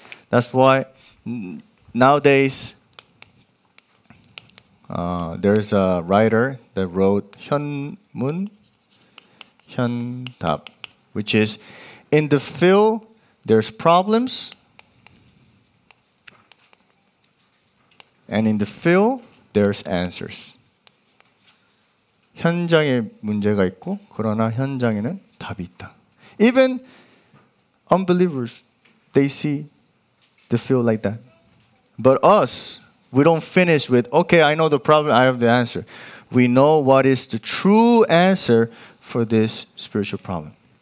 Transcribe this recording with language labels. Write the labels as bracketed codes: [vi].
[en] That's why nowadays, there's a writer that wrote Hyunmun, Hyundap, which is, in the field, there's problems, and in the field, there's answers. [ko] 현장에 문제가 있고 그러나 현장에는 답이 있다. [en] Even unbelievers, they see the field like that. But us, we don't finish with, okay, I know the problem, I have the answer. We know what is the true answer for this spiritual problem.